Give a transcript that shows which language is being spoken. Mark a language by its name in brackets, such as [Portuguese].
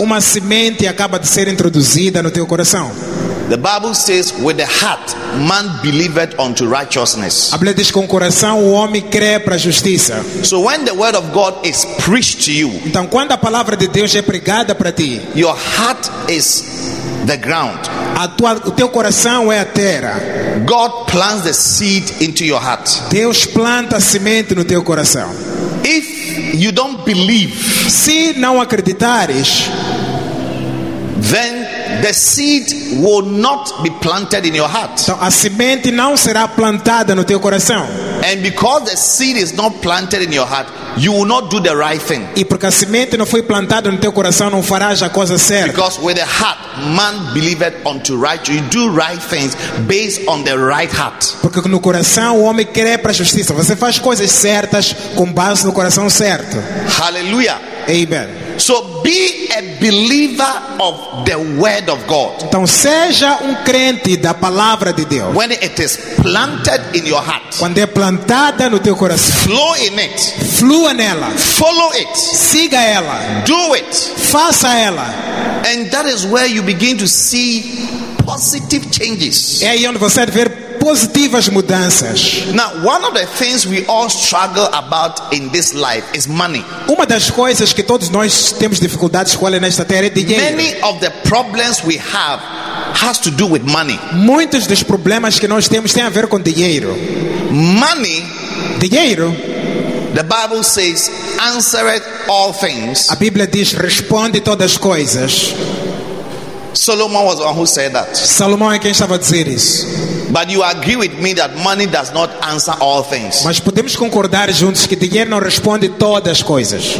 [Portuguese] Uma semente acaba de ser introduzida no teu coração. [English] The Bible says, "With the heart, man believeth unto righteousness." [Portuguese] A Bíblia diz que com o coração o homem crê para a justiça. [English] So when the word of God is preached to you, [Portuguese] então quando a palavra de Deus é pregada para ti, [English] your heart is the ground. [Portuguese] O teu coração é a terra. [English] God plants the seed into your heart. [Portuguese] Deus planta a semente no teu coração. [English] If you don't believe, [Portuguese] se não acreditares, [English] then the seed will not be planted in your heart. [Portuguese] Então, a semente não será plantada no teu coração. [English] And because the seed is not planted in your heart, you will not do the right thing. [Portuguese] E porque a semente não foi plantada no teu coração, não farás a coisa certa. [English] Because with the heart, man believeth unto righteousness. You do right things based on the right heart. [Portuguese] Porque no coração o homem crê para a justiça. Você faz coisas certas com base no coração certo. [English] Hallelujah. [Portuguese] Amen. [English] So be a believer of the word of God. [Portuguese] Então seja crente da palavra de Deus. [English] When it is planted in your heart. [Portuguese] Quando plantada no teu coração. [English] Flow in it. [Portuguese] Flua nela. [English] Follow it. [Portuguese] Siga ela. [English] Do it. [Portuguese] Faça ela. [English] And that is where you begin to see positive changes. [Portuguese] É aí onde você vê positivas mudanças. [English] Now, one of the things we all struggle about in this life is money. [Portuguese] Uma das coisas que todos nós temos dificuldades com ela nesta terra é dinheiro. [English] Many of the problems we have has to do with money. [Portuguese] Muitos dos problemas que nós temos têm a ver com dinheiro. [English] Money, [Portuguese] dinheiro. [English] The Bible says, "Answereth all things." [Portuguese] A Bíblia diz, responde todas as coisas. [English] Solomon was the one who said that. [Portuguese] Salomão é quem estava a dizer isso. [English] But you agree with me that money does not answer all things. [Portuguese] Mas podemos concordar juntos que dinheiro não responde todas as coisas.